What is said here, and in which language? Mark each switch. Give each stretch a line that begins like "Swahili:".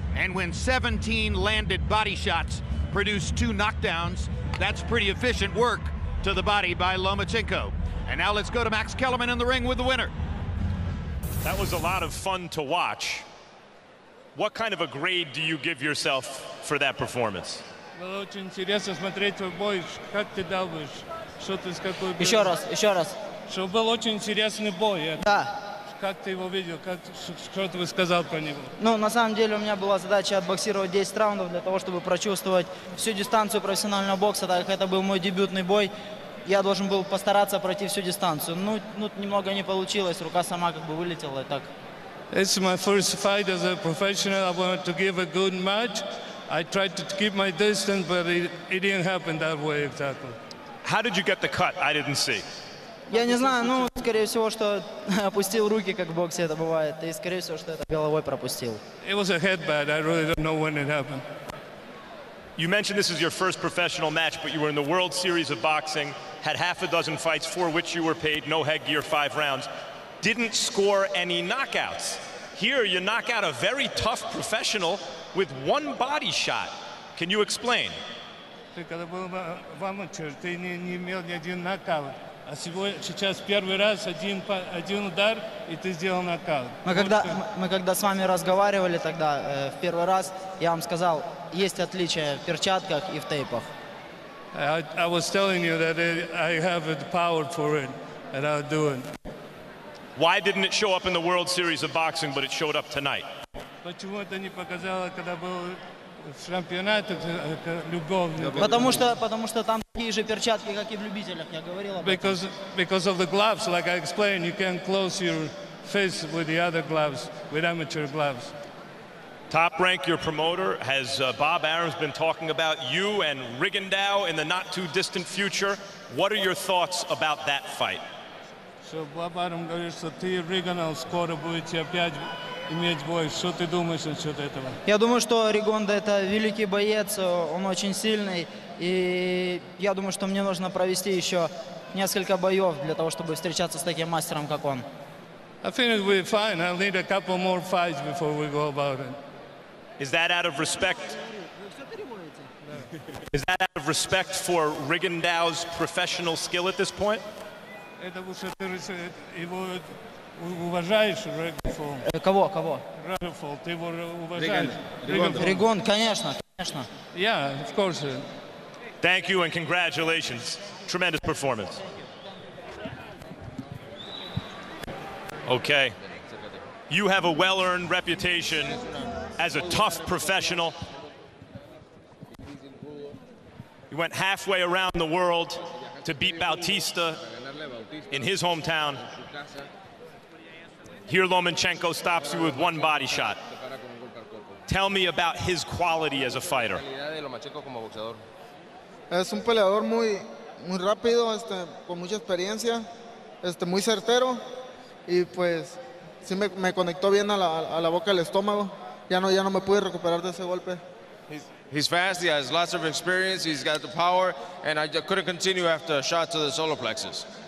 English: And when 17 landed body shots produced two knockdowns, that's pretty efficient work to the body by Lomachenko. And now let's go to Max Kellerman in the ring with the winner. That was a lot of fun to watch. What kind of a grade do you give yourself for that performance?
Russian: Ну, на самом деле, у меня была задача отбоксировать 10 раундов для того, чтобы прочувствовать всю дистанцию профессионального бокса, так как это был мой дебютный бой. Я должен был постараться пройти всю дистанцию. Ну, тут немного не получилось, рука сама как бы вылетела и так.
English: It's my first fight as a professional. I wanted to give a good match. I tried to keep my distance, but it didn't happen that way exactly. How did you get the cut? I didn't see.
Russian: Я не знаю, ну, скорее всего, что опустил руки, как в боксе это бывает, и, скорее всего, что это головой пропустил.
English: It was a headbutt. I really don't know when it happened. You mentioned this is your first professional match, but you were in the World Series of Boxing, had half a dozen fights for which you were paid, no headgear, five rounds, didn't score any knockouts. Here, you knock out a very tough professional with one body shot. Can you explain?
Russian: Ты когда был в амачер, ты не имел ни один нокаут. А сейчас первый раз один удар, и ты сделал нокаут. Мы когда с вами разговаривали тогда, в первый раз, я вам сказал, есть отличия в перчатках и в тейпах.
English: I was telling you that I have the power for it, and I'll do it. Why didn't it show up in the World Series of Boxing, but it showed up tonight?
Russian: Почему это не показало, когда был в чемпионатах любовный? Потому что там такие же перчатки, как и в любителях, я говорил об этом.
English: Because of the gloves, like I explained, you can't close your face with the other gloves, with amateur gloves. Top Rank, your promoter, has Bob Arum been talking about you and Rigondeaux in the not-too-distant future. What are your thoughts about that fight?
Russian: Что Боб Арум говорит, что ты и Ригондау скоро будете опять иметь бой. Что ты думаешь насчет этого? Я думаю, что Ригондау это великий боец, он очень сильный. И я думаю, что мне нужно провести еще несколько боев для того, чтобы встречаться с таким мастером, как он.
English: I think it'll be fine. I'll need a couple more fights before we go about it. Is that out of respect? Is that out of respect for Rigondau's professional skill at this point?
Russian: Это потому что ты его уважаешь, Рэгнфол. Кого, кого? Рэгнфол, ты его уважаешь. Ригон, конечно, конечно.
English: Yeah, of course. Thank you and congratulations. Tremendous performance. Okay. You have a well-earned reputation as a tough professional. You went halfway around the world to beat Bautista in his hometown. Here Lomachenko stops you with one body shot. Tell me about his quality as a fighter.
Spanish: Es un peleador muy muy rápido, con mucha experiencia, muy certero y pues sí me conectó bien a la boca del estómago. Ya no me pude recuperar de ese golpe.
English: He's fast, he has lots of experience, he's got the power, and I couldn't continue after a shot to the solar plexus.